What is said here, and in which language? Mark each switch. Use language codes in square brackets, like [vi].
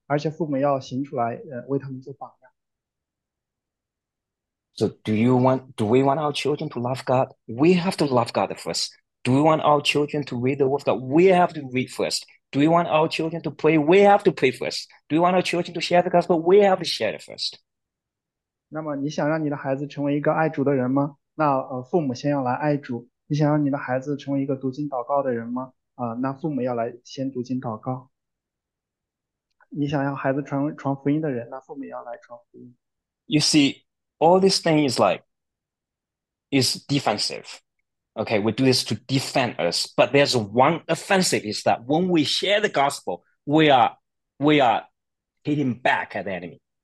[zh] 所以我们的孩子们不仅仅是需要父母在言语上教导他们，而且父母要行出来，为他们做榜样。 [en] So do we want our children to love God? We have to love God first. Do we want our children to read the word of God? We have to read first. Do we want our children to pray? We have to pray first. Do we want our children to share the gospel? We have to share it first. [zh] 那么你想让你的孩子成为一个爱主的人吗？那父母先要来爱主。你想让你的孩子成为一个读经祷告的人吗？那父母要来先读经祷告。你想要孩子传福音的人，那父母也要来传福音。 [en] You see, all this thing is defensive. Okay, we do this to defend us, but there's one offensive is that when we share the gospel, we are hitting back at the enemy.